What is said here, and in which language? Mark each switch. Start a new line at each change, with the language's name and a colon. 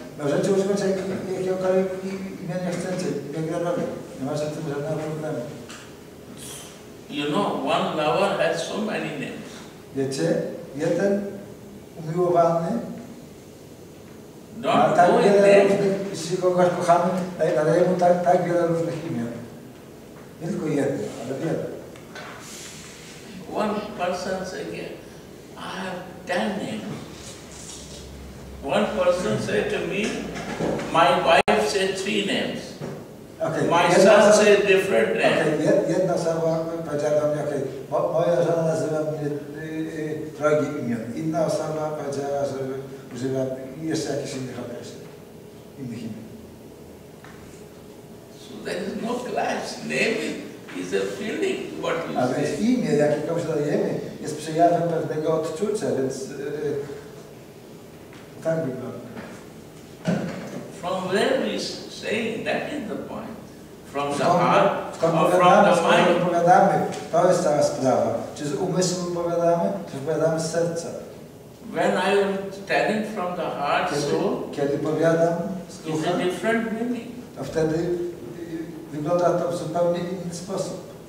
Polish: Możecie używać jakiegokolwiek imienia chcecie, biegradowi. Nie ma z tym żadnego problemu.
English: You know, one lover has so many names.
Polish: Wiecie, jeden umiłowany ma tak wiele różnych, jeśli kogoś kochamy, daje mu tak wiele różnych imion. Nie tylko jeden, ale wiele.
English: One person say, I have 10 names. One person said to me, my wife said 3 names. Okay. My son said different names. Okay.
Polish: Jedna osoba powiedziała mi, okay. Moja żona nazywa mnie drogi imion. Inna osoba powiedziała, że używa jeszcze jakichś innych określeń. Innych imion.
English: So there is no class. Name is a feeling, what you say.
Polish: A więc imię, jakie komuś dajemy, jest przejawem pewnego odczucia, więc tak wygląda.
English: From where we say, that is the point. From the heart or from the mind.
Polish: Skąd opowiadamy? To jest cała sprawa. Czy z umysłem opowiadamy, czy opowiadamy z serca?
English: When I am telling from the heart,
Polish: kiedy powiadam z ducha,
English: it's a different meaning.
Polish: To wtedy wygląda to w zupełnie inny sposób.